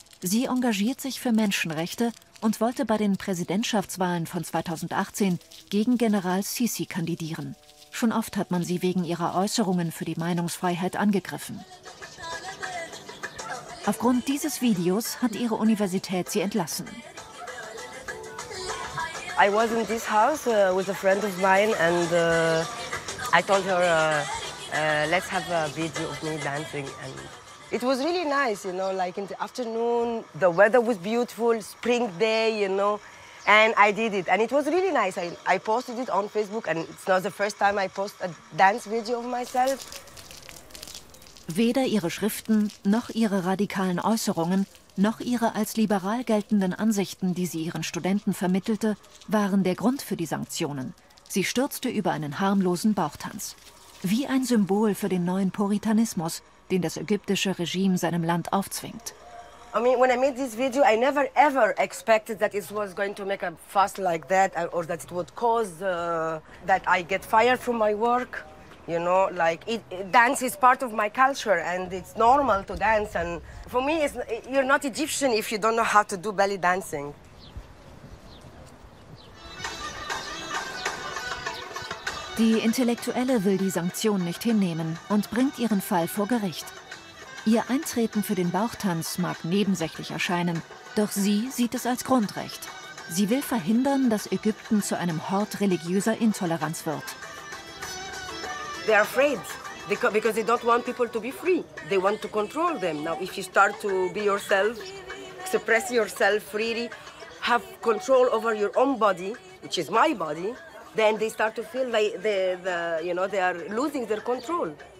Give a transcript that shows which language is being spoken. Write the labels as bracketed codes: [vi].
[de] Sie engagiert sich für Menschenrechte und wollte bei den Präsidentschaftswahlen von 2018 gegen General Sisi kandidieren. Schon oft hat man sie wegen ihrer Äußerungen für die Meinungsfreiheit angegriffen. Aufgrund dieses Videos hat ihre Universität sie entlassen. [en] I was in this house with a friend of mine and I told her let's have a video of me dancing and it was really nice, you know, like in the afternoon, the weather was beautiful, spring day, you know, and I did it and it was really nice. I posted it on Facebook and it's not the first time I post a dance video of myself. [de] Weder ihre Schriften, noch ihre radikalen Äußerungen, noch ihre als liberal geltenden Ansichten, die sie ihren Studenten vermittelte, waren der Grund für die Sanktionen. Sie stürzte über einen harmlosen Bauchtanz. Wie ein Symbol für den neuen Puritanismus, den das ägyptische Regime seinem Land aufzwingt. [en] I mean, when I made this video, I never ever expected that it was going to make a fuss like that or that it would cause that I get fired from my work. You know, like dance is part of my culture and it's normal to dance. And for me, you're not Egyptian if you don't know how to do belly dancing. [de] Die Intellektuelle will die Sanktion nicht hinnehmen und bringt ihren Fall vor Gericht. Ihr Eintreten für den Bauchtanz mag nebensächlich erscheinen, doch sie sieht es als Grundrecht. Sie will verhindern, dass Ägypten zu einem Hort religiöser Intoleranz wird. [en] They are afraid because they don't want people to be free. They want to control them. Now, if you start to be yourself, express yourself freely, have control over your own body, which is my body, then they start to feel like they are losing their control.